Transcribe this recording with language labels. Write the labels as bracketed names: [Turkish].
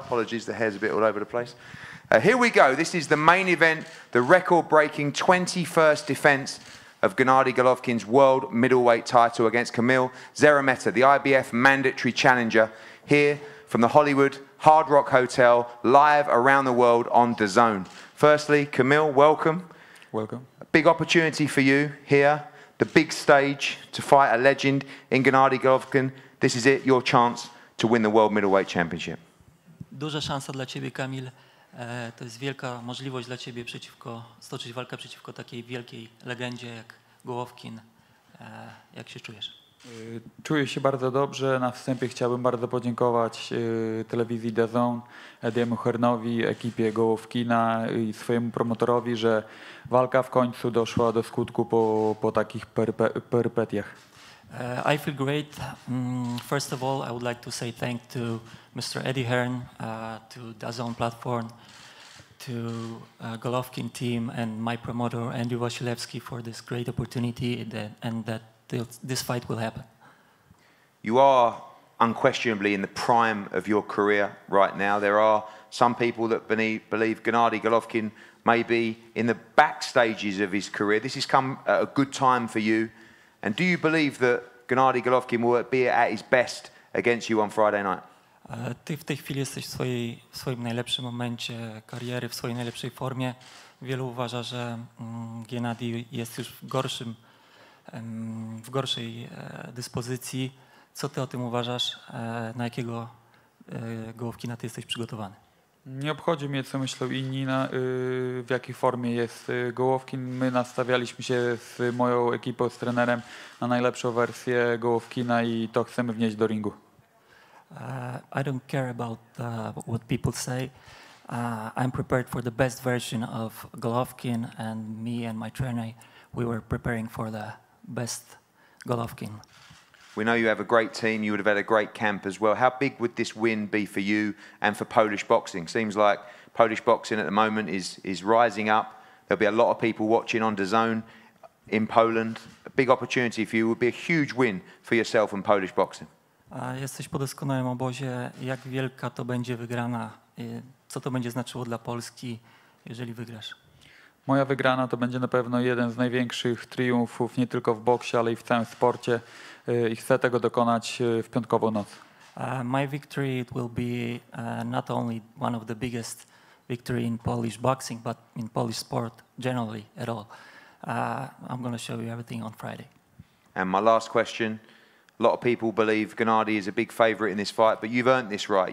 [English] Apologies, the hair's a bit all over the place. Here we go. This is the main event, the record-breaking 21st defense of Gennadiy Golovkin's world middleweight title against Kamil Szeremeta, the IBF mandatory challenger, here from the Hollywood Hard Rock Hotel, live around the world on DAZN. Firstly, Kamil, welcome. Welcome. Big opportunity for you here, the big stage to fight a legend in Gennady Golovkin. This is it, your chance to win the World Middleweight Championship. [Polish] Duża szansa dla ciebie, Kamil. To jest wielka możliwość dla ciebie przeciwko stoczyć walkę przeciwko takiej wielkiej legendzie jak Golovkin. Jak się czujesz? Czuję się bardzo dobrze. Na wstępie chciałbym bardzo podziękować telewizji DAZN, Ediemu Hernowi, ekipie Golovkina i swojemu promotorowi, że walka w końcu doszła do skutku po takich perypetiach. [English] I feel great. First of all, I would like to say thank to Mr. Eddie Hearn, to DAZN platform, to Golovkin team and my promoter Andrew Wasilewski for this great opportunity and that this fight will happen. You are unquestionably in the prime of your career right now. There are some people that believe Gennady Golovkin may be in the back stages of his career. This has come at a good time for you. And do you believe that Gennady Golovkin will be at his best against you on Friday night? [Polish] Ty w tej chwili jesteś w swoim najlepszym momencie kariery, w swojej najlepszej formie. Wielu uważa, że Gennady jest już w gorszej dyspozycji. Co ty o tym uważasz? Na jakiego Golovkina ty jesteś przygotowany? Nie obchodzi mnie, co myślą inni, w jakiej formie jest Golovkin. My nastawialiśmy się z moją ekipą, z trenerem na najlepszą wersję Golovkina i to chcemy wnieść do ringu. [English] I don't care about what people say. I'm prepared for the best version of Golovkin and me and my trainer, we were preparing for the best Golovkin. We know you have a great team. You would have had a great camp as well. How big would this win be for you and for Polish boxing? Seems like Polish boxing at the moment is rising up. There'll be a lot of people watching on DAZN in Poland. A big opportunity for you. It would be a huge win for yourself and Polish boxing. [Polish] Jesteś po doskonałym obozie. Jak wielka to będzie wygrana? Co to będzie znaczyło dla Polski, jeżeli wygrasz? Moja wygrana to będzie na pewno jeden z największych triumfów nie tylko w boksie, ale i w całym sporcie. I chcę tego dokonać w piątkową noc. [English] My victory it will be not only one of the biggest victory in Polish boxing, but in Polish sport generally at all. I'm going to show you everything on Friday. And my last question. A lot of people believe Gennady is a big favorite in this fight, but you've earned this right.